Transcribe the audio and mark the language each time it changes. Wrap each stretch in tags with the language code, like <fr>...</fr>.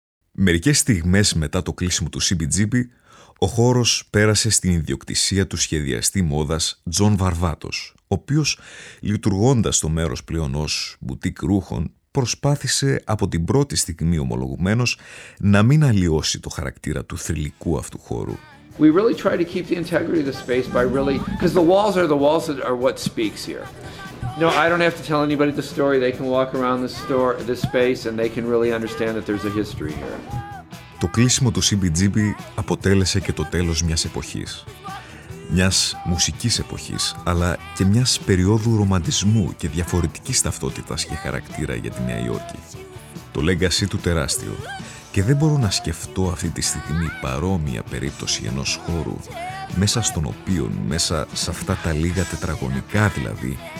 <el>Μερικές στιγμές μετά το κλείσιμο του CBGB, ο χώρος πέρασε στην ιδιοκτησία του σχεδιαστή μόδας Τζον Βαρβάτος, ο οποίος, λειτουργώντας το μέρος πλέον ως μπουτίκ ρούχων, προσπάθησε από την πρώτη στιγμή ομολογουμένως να μην αλλοιώσει το χαρακτήρα του θρυλικού αυτού χώρου.</el> <en>We really try to keep the integrity of the space by really, because the walls that are what speaks here. No, I don't have to tell anybody the story. They can walk around this store, this space, and they can really understand that there's a history here.</en> <el>Το κλείσιμο του CBGB αποτέλεσε και το τέλος μιας εποχής. Μιας μουσικής εποχής, αλλά και μιας περίοδου ρομαντισμού και διαφορετικής ταυτότητας και χαρακτήρα για τη Νέα Υόρκη. Το legacy του τεράστιο. Και δεν μπορώ να σκεφτώ αυτή τη στιγμή παρόμοια περίπτωση ενός χώρου, μέσα στον οποίο, μέσα σε αυτά τα λίγα τετραγωνικά δηλαδή,</el>